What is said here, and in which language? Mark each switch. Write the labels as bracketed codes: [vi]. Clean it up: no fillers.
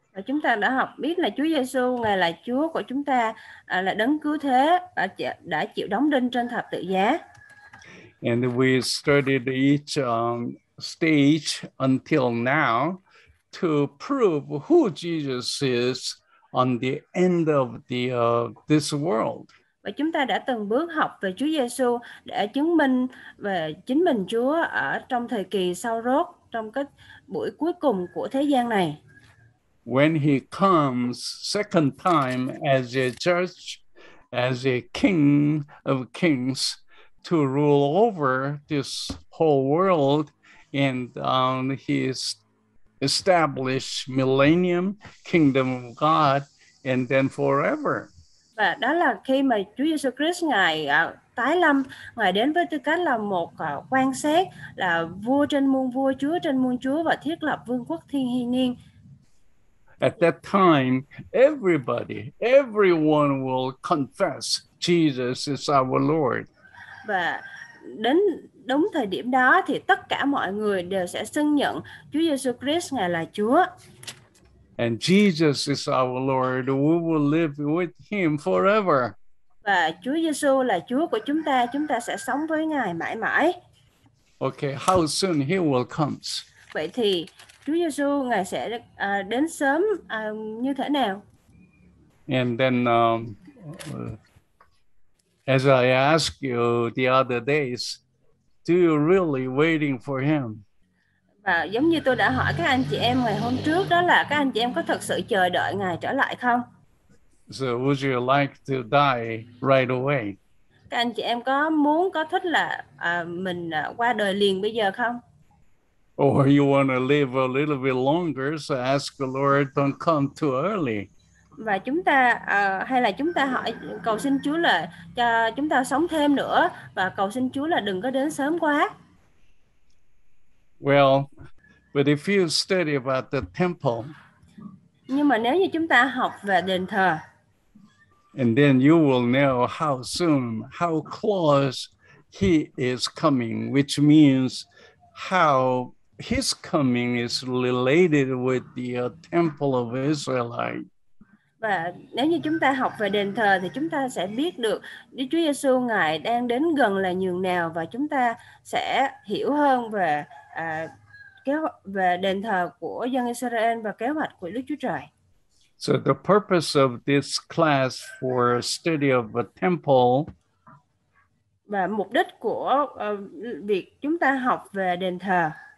[vi] Và chúng ta đã học biết là Chúa Giêsu Ngài là Chúa của chúng ta, là đấng cứu thế đã chịu đóng đinh trên thập tự giá. [en] And we studied each stage until now to prove who Jesus is on the end of this world. [vi] Và chúng ta đã từng bước học về Chúa Giêsu để chứng minh về chính mình Chúa ở trong thời kỳ sau rốt, trong cái buổi cuối cùng của thế gian này. [en] When he comes second time as a judge, as a king of kings, to rule over this whole world and his establish millennium kingdom of God and then forever. [vi] Và đó là khi mà Chúa Giêsu Christ ngài tái lâm, ngài đến với tư cách là một quan xét, là vua trên muôn vua, Chúa trên muôn Chúa và thiết lập vương quốc thiên hy niên. [en] At that time, everyone will confess Jesus is our Lord. [vi] Và đến đúng thời điểm đó thì tất cả mọi người đều sẽ xưng nhận Chúa Giêsu Christ ngài là Chúa. [en] And Jesus is our Lord. We will live with him forever. [vi] Và Chúa Giêsu là Chúa của chúng ta sẽ sống với ngài mãi mãi. [en] Okay, how soon he will come? [vi] Vậy thì Chúa Giêsu ngài sẽ đến sớm như thế nào? [en] And then as I asked you the other days, do you really waiting for him? [vi] Và giống như tôi đã hỏi các anh chị em ngày hôm trước, đó là các anh chị em có thực sự chờ đợi ngài trở lại không? [en] So would you like to die right away? [vi] Các anh chị em có muốn có thích là mình qua đời liền bây giờ không? [en] Or you want to live a little bit longer, so ask the Lord don't come too early. [vi] Và chúng ta hay là chúng ta hỏi cầu xin Chúa là cho chúng ta sống thêm nữa và cầu xin Chúa là đừng có đến sớm quá. [en] Well, but if you study about the temple, [vi] nhưng mà nếu như chúng ta học về đền thờ, [en] and then you will know how soon, how close he is coming, which means how his coming is related with the temple of Israelite. [vi] Và nếu như chúng ta học về đền thờ thì chúng ta sẽ biết được Đức Chúa Giêsu ngài đang đến gần là nhường nào và chúng ta sẽ hiểu hơn về về đền thờ của dân Israel và kế hoạch của Đức Chúa Trời. [en] So the purpose of this class for study of a temple. [vi] Và mục đích của việc chúng ta học về đền thờ.